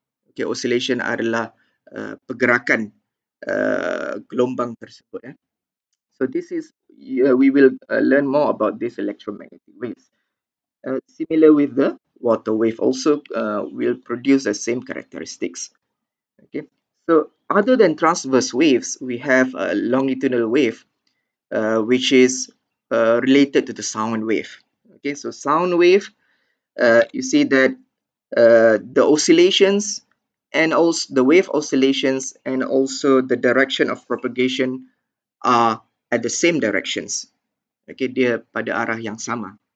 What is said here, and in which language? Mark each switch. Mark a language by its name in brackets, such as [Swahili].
[Malay] Okay, oscillation adalah pergerakan gelombang tersebut. Eh. [English] So this is we will learn more about this electromagnetic waves. Similar with the water wave, also will produce the same characteristics. Okay. So other than transverse waves, we have a longitudinal wave, which is related to the sound wave. Okay, so sound wave, you see that the oscillations and also the wave oscillations and also the direction of propagation are at the same directions. [Malay] Okay, dia pada arah yang sama.